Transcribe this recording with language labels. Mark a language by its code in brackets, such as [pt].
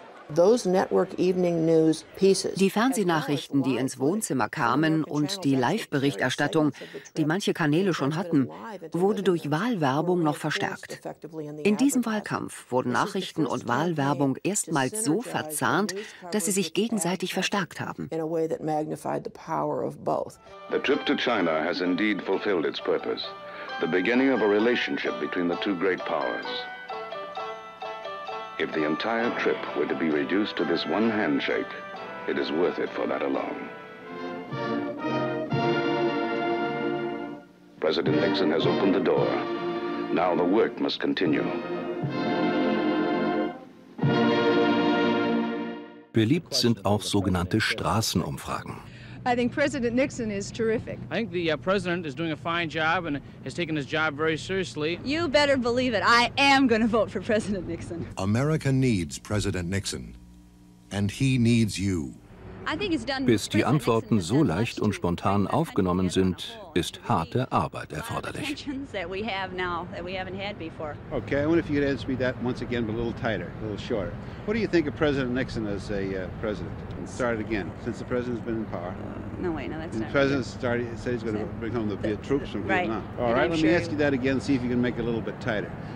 [de] Die Fernsehnachrichten, die ins Wohnzimmer kamen, und die Live-Berichterstattung, die manche Kanäle schon hatten, wurde durch Wahlwerbung noch verstärkt. In diesem Wahlkampf wurden Nachrichten und Wahlwerbung erstmals so verzahnt, dass sie sich gegenseitig verstärkt haben. [en] The trip to China has indeed fulfilled its purpose. The beginning of a relationship between the two great powers. If the entire trip were to be reduced to this one handshake, it is worth it for that alone. President Nixon has opened the door. Now the work must continue. [de] Beliebt sind auch sogenannte Straßenumfragen. [en] I think President Nixon is terrific. I think the president is doing a fine job and has taken his job very seriously. You better believe it. I am going to vote for President Nixon. America needs President Nixon, and he needs you. [de] Bis die Antworten so leicht und spontan aufgenommen sind, ist harte Arbeit erforderlich. [en] Okay, I wonder if you could answer me that once again, but a little tighter, a little shorter. What do you think of President Nixon as a president? Start it again, since the president's been in power. No, that's not. The president said he's going to bring home the troops from Vietnam. Right. All right, let me ask you that again, see if you can make it a little bit tighter.